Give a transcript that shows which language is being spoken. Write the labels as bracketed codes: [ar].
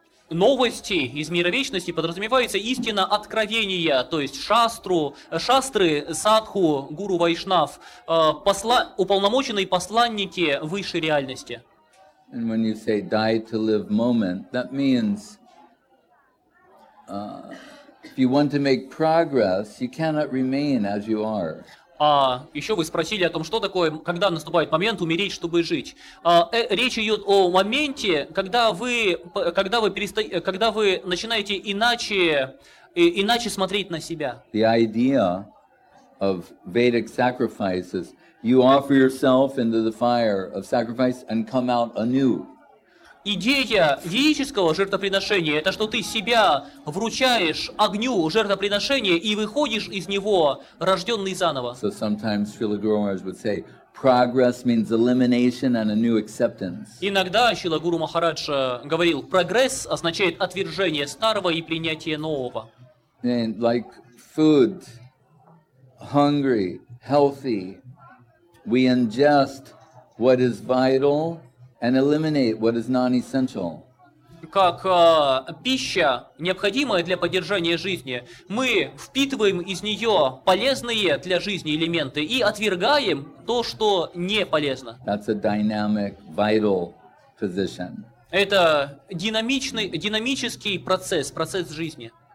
[ru] Новости из мира вечности подразумевается истина откровения, то есть шастру, шастры, садху, гуру, вайшнав, уполномоченные посланники высшей реальности. [en] And when you say die to live moment, that means if you want to make progress, you cannot remain as you are. [ru] А еще вы спросили о том, что такое, когда наступает момент умереть, чтобы жить. Речь идет о моменте, когда вы начинаете иначе смотреть на себя. [en] The idea of Vedic sacrifices, you offer yourself into the fire of sacrifice and come out anew. [ru] Идея ведического жертвоприношения – это что ты себя вручаешь огню жертвоприношения и выходишь из него, рожденный заново. [en] So sometimes Srila Guru Maharaj would say, progress means elimination and a new acceptance. [ru] Иногда Шрила Гуру Махарадж говорил, прогресс означает отвержение старого и принятие нового. [en] And like food, hungry, healthy, we ingest what is vital and eliminate what is non-essential. [ru] Как пища, необходимая для поддержания жизни, мы впитываем из нее полезные для жизни элементы и отвергаем то, что не полезно. [en] That's a dynamic, vital position. [ru] Это динамический процесс, процесс жизни.